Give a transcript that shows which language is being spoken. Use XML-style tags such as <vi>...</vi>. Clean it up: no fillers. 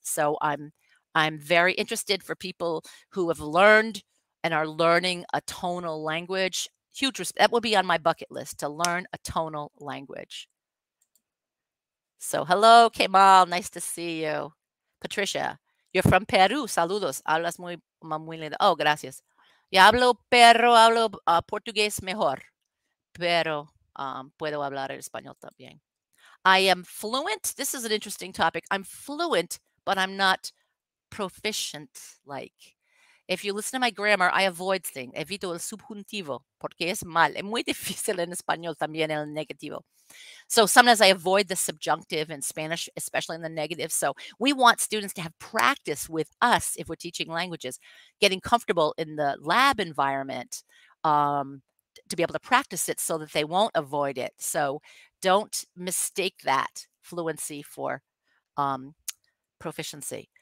<en>So I'm very interested for people who have learned and are learning a tonal language. Huge respect. That would be on my bucket list, to learn a tonal language. So hello, Kemal. Nice to see you. Patricia, you're from Peru.</en> <es>Saludos. Hablas muy Oh, gracias. Ya hablo, pero hablo portugués mejor. Pero puedo hablar el español también.</es> <en>I am fluent. This is an interesting topic. I'm fluent, but I'm not proficient. Like, if you listen to my grammar, I avoid things.</en> <es>Evito el subjuntivo, porque es mal. Es muy difícil en español también el negativo.</es> <en>So sometimes I avoid the subjunctive in Spanish, especially in the negative. So we want students to have practice with us if we're teaching languages, getting comfortable in the lab environment to be able to practice it so that they won't avoid it. So don't mistake that fluency for proficiency.</en>